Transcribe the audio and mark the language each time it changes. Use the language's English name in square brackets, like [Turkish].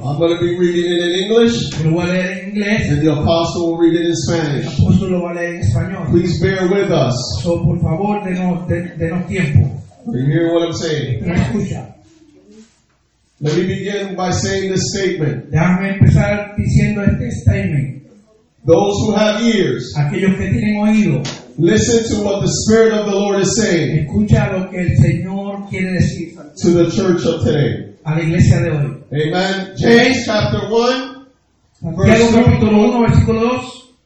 [English] I'm going to be reading it in English. [Spanish] Lo voy a leer en inglés. [English] And the apostle will read it in Spanish. [Spanish] El apóstol lo va a leer en español. [English] Please bear with us. So, [Spanish] por favor, denos tiempo. [English] Are you hearing what I'm saying? [Spanish] Escucha. [English] Let me begin by saying this statement. [Spanish] Déjame empezar diciendo este statement. [English] Those who have ears. [Spanish] Aquellos que tienen oído. [English] Listen to what the Spirit of the Lord is saying. [Spanish] Escucha lo que el Señor quiere decir. [English] To the church of today. [Spanish] A la iglesia de hoy. [English] Amen. James chapter 1. [Spanish] Santiago capítulo 1, versículo 2.